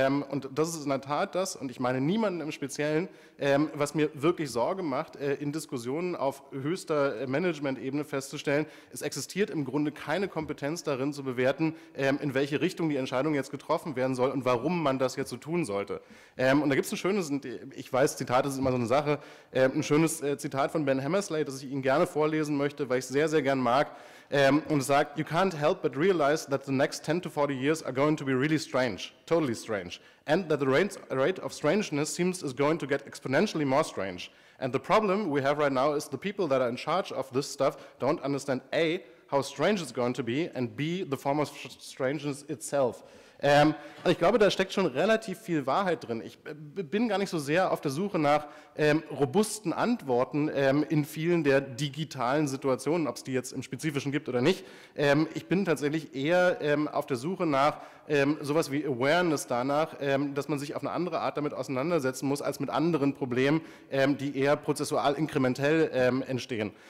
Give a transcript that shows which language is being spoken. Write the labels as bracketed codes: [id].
[de] Und das ist in der Tat das, und ich meine niemanden im Speziellen, was mir wirklich Sorge macht, in Diskussionen auf höchster Management-Ebene festzustellen, es existiert im Grunde keine Kompetenz darin zu bewerten, in welche Richtung die Entscheidung jetzt getroffen werden soll und warum man das jetzt so tun sollte. Und da gibt es ein schönes, ich weiß, Zitat ist immer so eine Sache, ein schönes Zitat von Ben Hammersley, das ich Ihnen gerne vorlesen möchte, weil ich es sehr, sehr gern mag. Und sagt, [en] you can't help but realize that the next 10 to 40 years are going to be really strange, totally strange, and that the rate of strangeness seems is going to get exponentially more strange. And the problem we have right now is the people that are in charge of this stuff don't understand A, how strange it's going to be, and B, the form of strangeness itself. [de] Ich glaube, da steckt schon relativ viel Wahrheit drin. Ich bin gar nicht so sehr auf der Suche nach robusten Antworten in vielen der digitalen Situationen, ob es die jetzt im Spezifischen gibt oder nicht. Ich bin tatsächlich eher auf der Suche nach sowas wie Awareness danach, dass man sich auf eine andere Art damit auseinandersetzen muss, als mit anderen Problemen, die eher prozessual inkrementell entstehen.